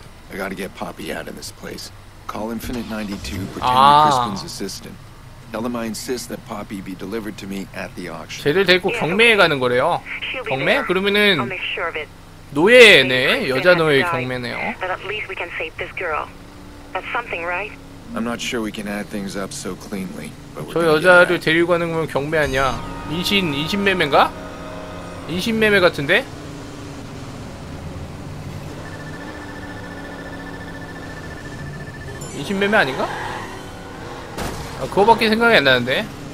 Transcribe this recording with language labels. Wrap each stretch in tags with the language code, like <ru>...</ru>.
<en>I gotta get Poppy out of this place. Call Infinite 92, pretend Crispin's assistant. Tell them I insist that Poppy be delivered to me at the auction.</en> <ko>쟤를 데리고 경매에 가는 거래요. 경매? 그러면은 노예네, 여자 노예 경매네요.</ko> <en>I'm not sure we can add things up so cleanly.</en> <ko>저 여자를 데리고 가는 거면 경매 아니야? 인신매매인가? 인신매매 같은데? 인신매매 아닌가? 아, 그거밖에 생각이 안 나는데.</ko>